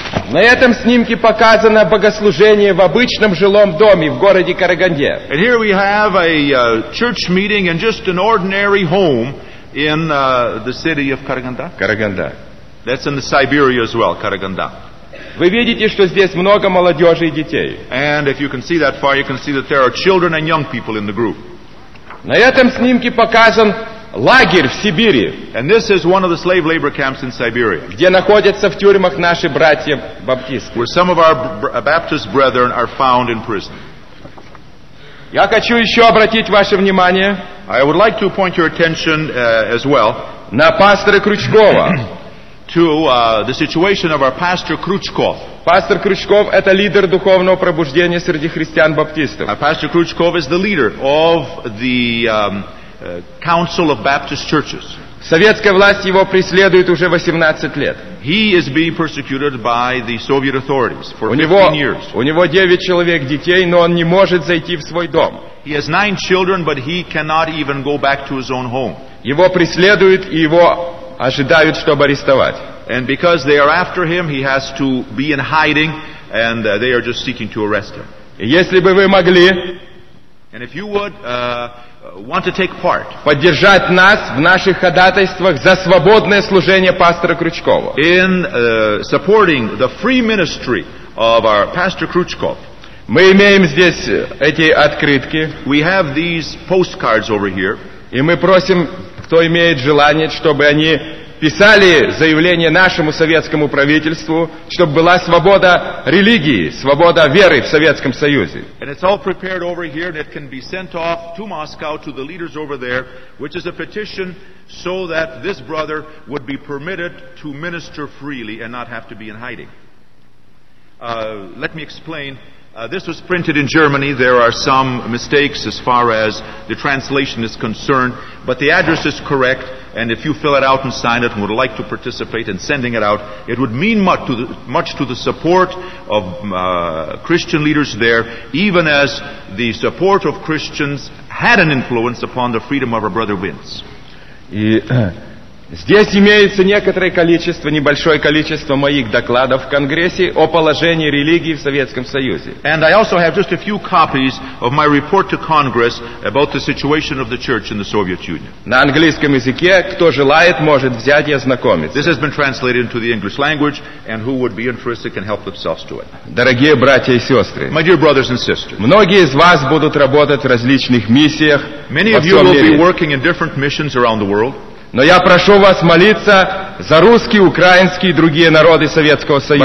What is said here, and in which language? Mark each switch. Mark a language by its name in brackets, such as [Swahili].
[Russian] На этом снимке показано богослужение в обычном жилом доме в городе Караганде. [English] And here we have a church meeting in just an ordinary home in the city of Karaganda. [Russian] Караганда. [English] That's in the Siberia as well, Караганда. [Russian] Вы видите, что здесь много молодежи и детей. [English] And if you can see that far, you can see that there are children and young people in the group. [Russian] На этом снимке показан лагерь в Сибири. [English] And this is one of the slave labor camps in Siberia. [Russian] Где находятся в тюрьмах наши братья-баптисты. [English] Where some of our Baptist brethren are found in prison. [Russian] Я хочу еще обратить ваше внимание. [English] I would like to point your attention as well. [Russian] На пастора Крючкова. [English] To the situation of our pastor Krutchkov. [Russian] Пастор Крючков — это лидер духовного пробуждения среди христиан-баптистов. [English] Pastor Krutchkov is the leader of the Council of Baptist Churches. [Russian] Советская власть его преследует уже 18 лет. [English] He is being persecuted by the Soviet authorities for 15 years. [Russian] У него 9 человек детей, но он не может зайти в свой дом. [English] He has 9 children, but he cannot even go back to his own home. [Russian] Его преследуют и его ожидают, чтобы арестовать. [English] And because they are after him, he has to be in hiding, and they are just seeking to arrest him. [Russian] Если бы вы могли, [English] and if you would want to take part, [Russian] поддержать нас в наших ходатайствах за свободное служение пастора Крючкова, [English] in supporting the free ministry of our pastor Krutchkov. [Russian] Мы имеем здесь эти открытки. [English] We have these postcards over here. [Russian] И мы просим, кто имеет желание, чтобы они писали заявление нашему советскому правительству, чтобы была свобода религии, свобода веры в Советском Союзе. [English] And it's all prepared over here, and it can be sent off to Moscow to the leaders over there, which is a petition so that this brother would be permitted to minister freely and not have to be in hiding. Let me explain. This was printed in Germany. There are some mistakes as far as the translation is concerned, but the address is correct, and if you fill it out and sign it and would like to participate in sending it out, it would mean much to the support of Christian leaders there, even as the support of Christians had an influence upon the freedom of our brother Vince. [Russian] Здесь имеется некоторое количество, небольшое количество моих докладов в Конгрессе о положении религии в Советском Союзе. [English] And I also have just a few copies of my report to Congress about the situation of the church in the Soviet Union. [Russian] На английском языке, кто желает, может взять и ознакомиться. [English] This has been translated into the English language, and who would be interested can help themselves to it. [Russian] Дорогие братья и сестры, [English] my dear brothers and sisters, [Russian] многие из вас будут работать в различных миссиях. [English] Many of you will be working in different missions around the world. [Russian] Но я прошу вас молиться за русские, украинские и другие народы Советского Союза.